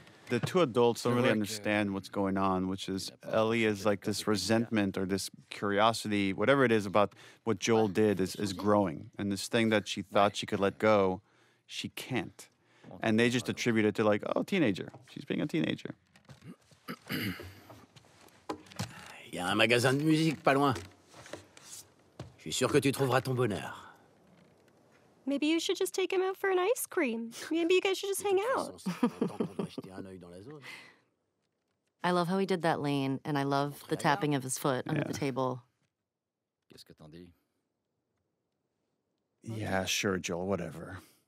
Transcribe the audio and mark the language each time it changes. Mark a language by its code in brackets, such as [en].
[en] The two adults don't really understand what's going on, which is Ellie is like this resentment or this curiosity, whatever it is about what Joel did is growing. And this thing that she thought she could let go, she can't. And they just attribute it to like, oh, teenager. She's being a teenager. [fr] Il y a un magasin de musique pas loin. Je suis sûr que tu trouveras ton bonheur. [en] Maybe you should just take him out for an ice cream. Maybe you guys should just hang out. I love how he did that lane, and I love the tapping of his foot under the table. [fr] Qu'est-ce que t'en dis? [en] Yeah, sure, Joel, whatever.